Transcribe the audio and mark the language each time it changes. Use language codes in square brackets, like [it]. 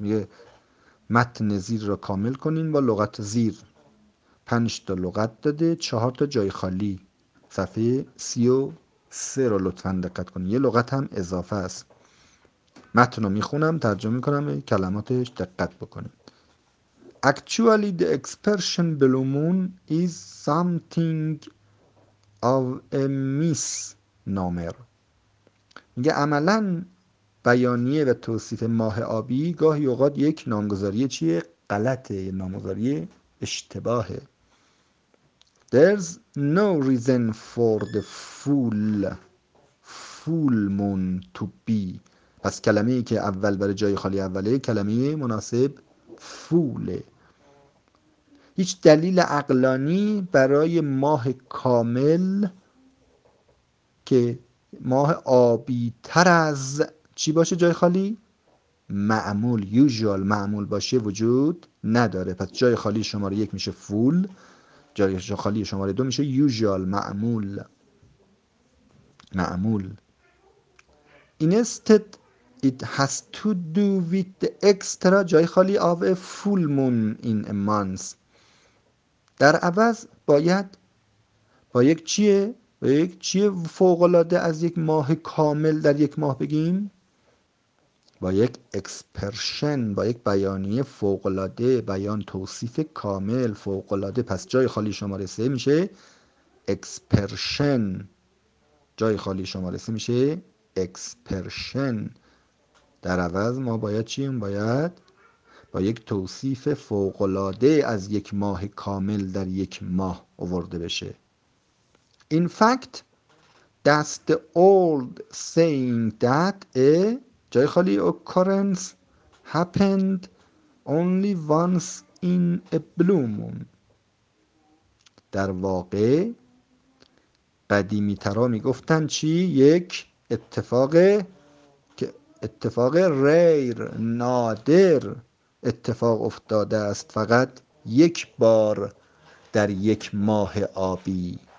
[fa] میگه متن زیر را کامل کنین با لغت زیر. 5 تا لغت داده، 4 تا جای خالی. صفحه 33 رو لطفا دقت کنید، یه لغت هم اضافه است. متن رو میخونم، ترجمه میکنم، کلماتش دقت بکنید. [en] Actually the expression blue moon is something of a misnomer. [fa] میگه عملا بیانیه و توصیف ماه آبی گاهی اوقات یک نامگذاری چیه؟ غلطه، نامگذاری اشتباهه. [en] There's no reason for the full moon to be. [fa] پس کلمه ای که اول برای جای خالی اوله، کلمه مناسب فوله. هیچ دلیل عقلانی برای ماه کامل که ماه آبی تر از چی باشه جای خالی؟ معمول، usual، معمول باشه وجود نداره. پس جای خالی شماره 1 میشه فول، جای خالی شماره 2 میشه usual، معمول، معمول. [en] Instead it has to do with the extra [fa] جای خالی [en] of a full moon in a month. [fa] در عوض باید با یک چیه؟ با یک چیه فوق‌العاده از یک ماه کامل در یک ماه بگیم؟ با یک اکسپرشن، با یک بیانیه فوق‌العاده، بیان، توصیف کامل، فوق‌العاده. پس جای خالی شماره 3 میشه اکسپرشن، جای خالی شماره 3 میشه اکسپرشن. در عوض ما باید چیم؟ باید با یک توصیف فوق‌العاده از یک ماه کامل در یک ماه آورده بشه. [en] In fact that's the old saying that a [fa] جای خالی [en] occurrence happened only once in a blue moon. [fa] در واقع قدیمی ترا می گفتن چی؟ یک اتفاق، که اتفاق ریر، نادر اتفاق افتاده است فقط یک بار در یک ماه آبی.